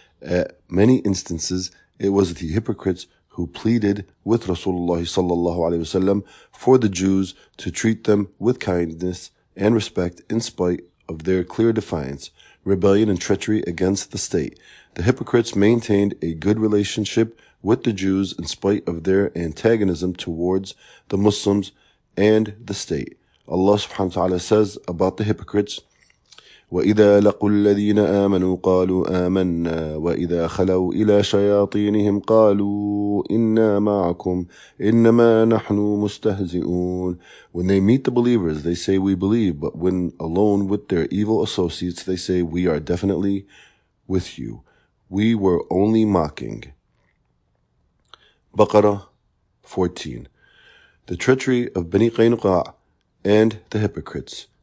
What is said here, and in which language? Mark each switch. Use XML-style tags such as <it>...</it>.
<en>At many instances, it was the hypocrites who pleaded with Rasulullah sallallahu alaihi wasallam for the Jews to treat them with kindness and respect in spite of their clear defiance, rebellion, and treachery against the state. The hypocrites maintained a good relationship with the Jews in spite of their antagonism towards the Muslims and the state. Allah subhanahu wa ta'ala says about the hypocrites,</en> <ar>وَإِذَا لَقُوا الَّذِينَ آمَنُوا قَالُوا آمَنَّا وَإِذَا خَلَوْا إِلَى شَيَاطِينِهِمْ قَالُوا إِنَّا مَعَكُمْ إِنَّمَا نَحْنُ مُسْتَهْزِئُونَ.</ar> <en>When they meet the believers, they say, "We believe," but when alone with their evil associates, they say, "We are definitely with you. We were only mocking." Baqarah 14. The treachery of Bani Qaynuqa and the hypocrites.</en>